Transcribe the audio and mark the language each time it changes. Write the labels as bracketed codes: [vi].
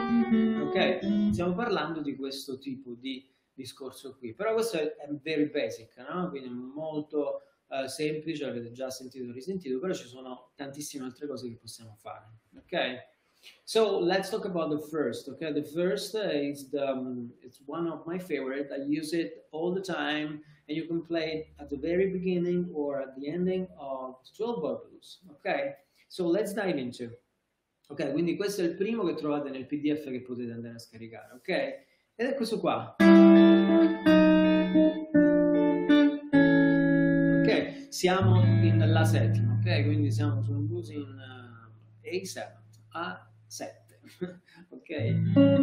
[it] Ok? Stiamo parlando di questo tipo di discorso qui, però questo è [en] very basic, [it] no? Quindi molto semplice, l'avete già sentito e risentito, però ci sono tantissime altre cose che possiamo fare, ok? [en] So let's talk about the first, ok? The first is it's one of my favorite. I use it all the time, and you can play at the very beginning or at the ending of 12-bar blues, ok? So let's dive into. [it] Ok, quindi questo è il primo che trovate nel PDF che potete andare a scaricare, ok? Ed è questo qua. Ok, siamo in La settima, ok? Quindi siamo su un blues in A7, A7, ok?